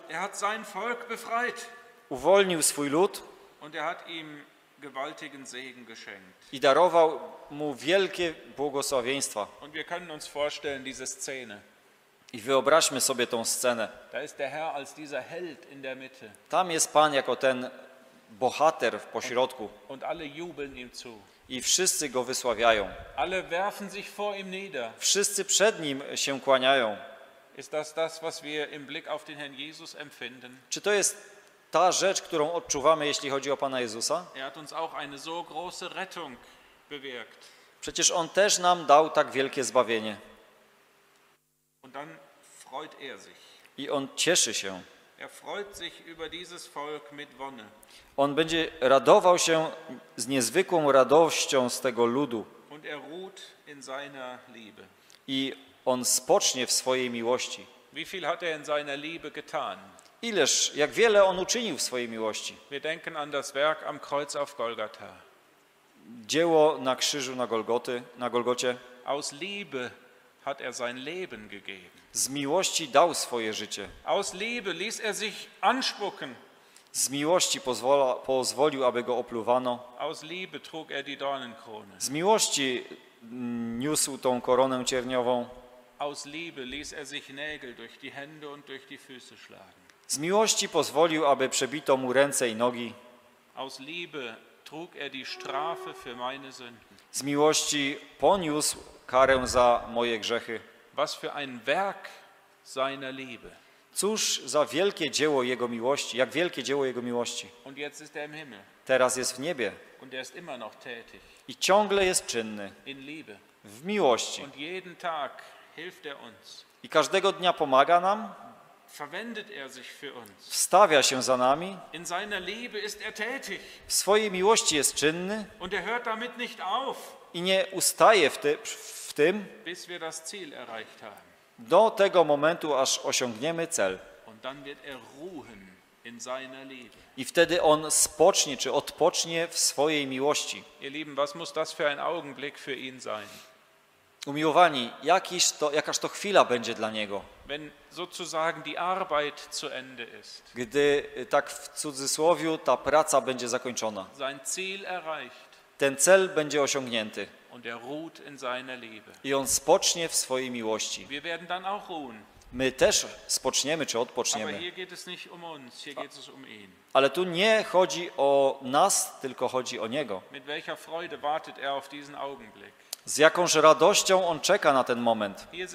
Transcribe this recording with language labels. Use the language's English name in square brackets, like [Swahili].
[German] Er hat sein Volk befreit. [Polish] Uwolnił swój lud. [German] Und er hat ihm gewaltigen Segen geschenkt. [Polish] I darował mu wielkie błogosławieństwa. [German] Und wir können uns vorstellen diese Szene. [Polish] I wyobraźmy sobie tą scenę. [German] Da ist der Herr als dieser Held in der Mitte. [Polish] Tam jest Pan jako ten bohater w pośrodku. [German] Und alle jubeln ihm zu. [Polish] I wszyscy go wysławiają. [German] Alle werfen sich vor ihm nieder. [Polish] Wszyscy przed nim się kłaniają. [German] Ist das das, was wir im Blick auf den Herrn Jesus empfinden? [Polish] Czy to jest ta rzecz, którą odczuwamy, jeśli chodzi o Pana Jezusa? [German] Er hat uns auch eine so große Rettung bewirkt. [Polish] Przecież On też nam dał tak wielkie zbawienie. [German] Und dann freut er sich. [Polish] I On cieszy się. [German] Er freut sich über dieses Volk mit Wonne. [Polish] On będzie radował się z niezwykłą radością z tego ludu. [German] Und er ruht in seiner Liebe. [Polish] I On spocznie w swojej miłości. [German] Wie viel hat er in seiner Liebe getan? [Polish] Ileż, jak wiele on uczynił w swojej miłości. [German] Wir denken an das Werk am Kreuz auf Golgatha. [Polish] Dzieło na krzyżu na Golgoty, na Golgocie. [German] Aus Liebe hat er sein Leben gegeben. [Polish] Z miłości dał swoje życie. [German] Aus Liebe ließ er sich anspucken. [Polish] Z miłości pozwolił, aby go opluwano. [German] Aus Liebe trug er die Dornenkrone. [Polish] Z miłości niósł tą koronę cierniową. [German] Aus Liebe ließ er sich Nägel durch die Hände und durch die Füße schlagen. [Polish] Z miłości pozwolił, aby przebito mu ręce i nogi. [German] Aus Liebe trug er die Strafe für meine Sünden. [Polish] Z miłości poniósł karę za moje grzechy. [German] Was für ein Werk seiner Liebe. [Polish] Cóż za wielkie dzieło jego miłości, jak wielkie dzieło jego miłości. [German] Und jetzt ist er im Himmel. [Polish] Teraz jest w niebie. [German] Und er ist immer noch tätig. [Polish] I ciągle jest czynny. [German] In Liebe. [Polish] W miłości. [German] Und jeden Tag hilft er uns. [Polish] I każdego dnia pomaga nam. [German] Verwendet er sich für uns. [Polish] Wstawia się za nami. [German] In seiner Liebe ist er tätig. [Polish] W swojej miłości jest czynny. [German] Und er hört damit nicht auf. [Polish] I nie ustaje w tym. [German] Bis wir das Ziel erreicht haben. [Polish] Do tego momentu, aż osiągniemy cel. [German] Und dann wird er ruhen in seiner Liebe. [Polish] I wtedy on spocznie, czy odpocznie w swojej miłości. [German] Ihr Lieben, was muss das für ein Augenblick für ihn sein? [Polish] Umiłowani, jakaż to chwila będzie dla niego. [German] Wenn sozusagen die Arbeit zu Ende ist. [Polish] Gdy tak w cudzysłowie ta praca będzie zakończona. [German] Sein Ziel erreicht. [Polish] Ten cel będzie osiągnięty. [German] Und er ruht in seiner Liebe. [Polish] I on spocznie w swojej miłości. [German] Wir werden dann auch ruhen. [Polish] My też spoczniemy czy odpoczniemy. [German] Aber hier geht es nicht um uns, hier geht es um ihn. [Polish] Ale tu nie chodzi o nas, tylko chodzi o niego. [German] Mit welcher Freude wartet er auf diesen Augenblick? [Polish] Z jakąż radością on czeka na ten moment.